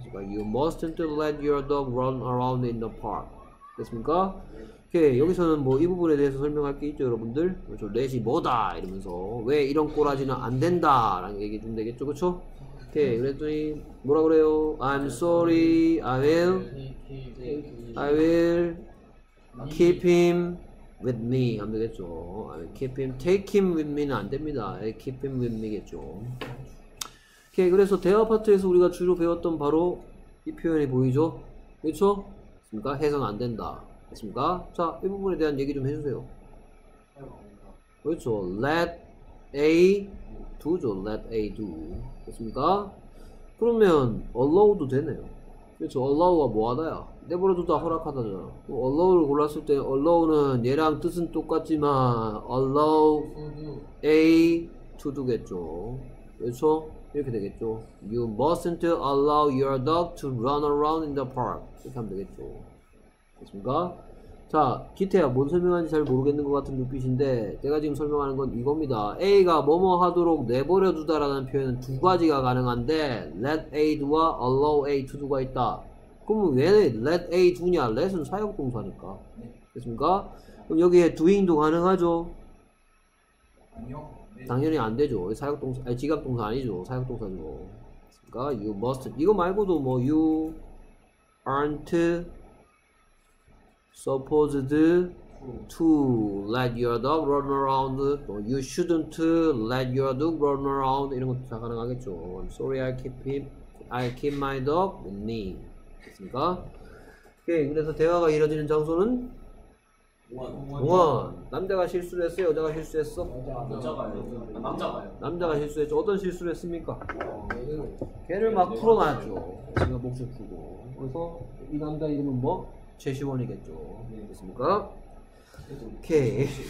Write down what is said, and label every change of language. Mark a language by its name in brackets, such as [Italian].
[English] You mustn't let your dog run around in the park. [Korean] 됐습니까? 오케이, 여기서는 뭐 이 부분에 대해서 설명할 게 있죠, 여러분들. 그렇죠. 렛이 뭐다 이러면서 왜 이런 꼬라지는 안 된다라는 얘기 좀 되겠죠, 그렇죠? 오케이. 그랬더니 뭐라 그래요? [English] I'm sorry. I will keep him with me. [Korean] 안 되겠죠. [English] I will keep him, take him with me는 [Korean] 안 됩니다. [English] I will keep him with me겠죠. 오케이. [Korean] 그래서 대화 파트에서 우리가 주로 배웠던 바로 이 표현이 보이죠? 그렇죠? 그러니까 해선 안 된다. 맞습니까? 자, 이 부분에 대한 얘기 좀 해주세요. 그렇죠. [English] Let A do죠. Let A do. [Korean] 됐습니까? 그러면 allow도 되네요. 그렇죠. allow가 뭐하다야? 내버려 두다, 허락하다잖아. allow를 골랐을 때 allow는 얘랑 뜻은 똑같지만 allow A to do겠죠. 그렇죠? 이렇게 되겠죠. [English] You mustn't allow your dog to run around in the park. [Korean] 이렇게 하면 되겠죠. 됐습니까? 자, 기태야, 뭔 설명하는지 잘 모르겠는 것 같은 눈빛인데, 제가 지금 설명하는 건 이겁니다. A가 뭐뭐 하도록 내버려 두다라는 표현은 두 가지가 가능한데, let A do와 allow A to do가 있다. 그러면 왜 let A do냐? let은 사역동사니까. 됐습니까? 그럼 여기에 doing도 가능하죠? 아니요. 당연히 안 되죠. 사역동사, 아니, 지각동사 아니죠. 사역동사죠. 됐습니까? [English] You must, [Korean] 이거 말고도 뭐, [English] you aren't supposed to let your dog run around, you shouldn't let your dog run around, [Korean] 이런 것도 다 가능하겠죠. [English] I'm sorry, I keep my dog with me. [Korean] 됐습니까? 오케이. 그래서 대화가 이루어지는 장소는? 공원. 남자가 실수를 했어요? 여자가 실수했어? 남자가요. 남자가 실수했죠. 어떤 실수를 했습니까? 걔를 막 풀어놔야죠. 지가 목숨 풀고. 그래서 이 남자 이름은 뭐? 최시원이겠죠. 됐습니까? 오케이.